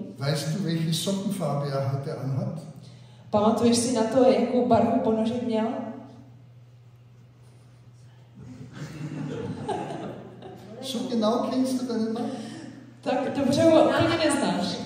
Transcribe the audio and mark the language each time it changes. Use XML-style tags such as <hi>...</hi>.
<de>Weißt du, welche Sockenfarbe er hatte anhat?</de> <cs>Pamatuješ si na to, jakou barvu ponožek měl?</cs> <de>So genau kennst du deinen Mann?</de> <cs>Tak dobře ho úplně neznáš.</cs>